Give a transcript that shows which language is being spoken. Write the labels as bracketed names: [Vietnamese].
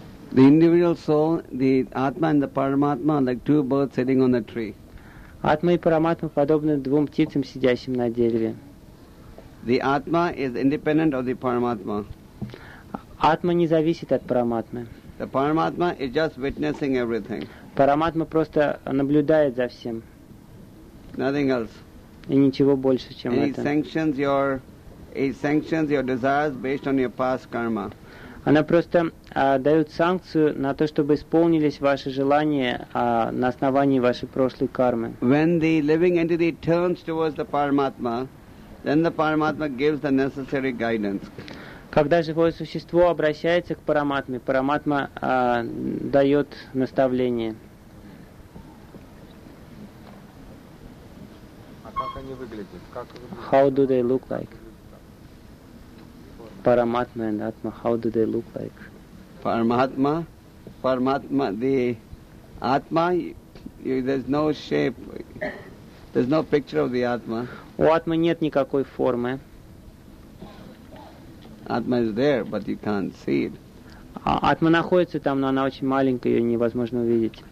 [English] The individual soul, the atma and the paramatma are like two birds sitting on a tree. [Russian] Атма и параматма подобны двум птицам, сидящим на дереве. [English] The atma is independent of the paramatma. [Russian] Атма не зависит от параматмы. [English] The paramatma is just witnessing everything. [Russian] Параматма просто наблюдает за всем. [English] Nothing else. [Russian] И ничего больше, чем [English] and [Russian] это. [English] He sanctions your desires based on your past karma. [Russian] Она просто дает санкцию на то, чтобы исполнились ваши желания на основании вашей прошлой кармы. [English] When the living entity turns towards the Paramatma, then the Paramatma gives the necessary guidance. [Russian] Когда живое существо обращается к Параматме, Параматма дает наставление. А как они выглядят? [English] How do they look like? Paramatma and Atma, how do they look like? Paramatma, the Atma, there's no shape, there's no picture of the Atma. [Russian] У Атмы нет никакой формы. [English] Atma is there, but you can't see it. [Russian] Атма находится там, но она очень маленькая, ее невозможно увидеть.